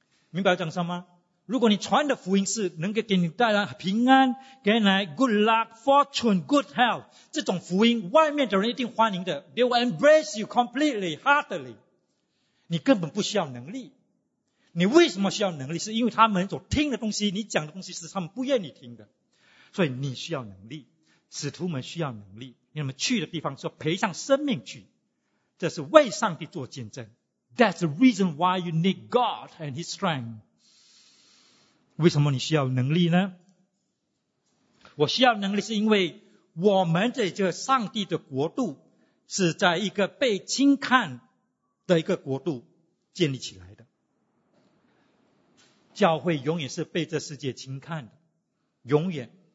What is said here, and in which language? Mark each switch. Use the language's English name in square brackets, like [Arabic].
[Chinese] 明白我讲什么吗？如果你传的福音是能够给你带来平安，给你 [English] good luck, fortune, good health, [Chinese] 这种福音外面的人一定欢迎的， [English] they will embrace you completely, heartily. [Chinese] 你根本不需要能力。你为什么需要能力？是因为他们所听的东西，你讲的东西是他们不愿意听的。所以你需要能力，使徒们需要能力，你们去的地方说赔上生命去，这是为上帝做见证。 [English] That's the reason why you need God and His strength. [Chinese] 为什么你需要能力呢？我需要能力是因为我们在这上帝的国度是在一个被轻看的一个国度建立起来的。教会永远是被这世界轻看的，永远。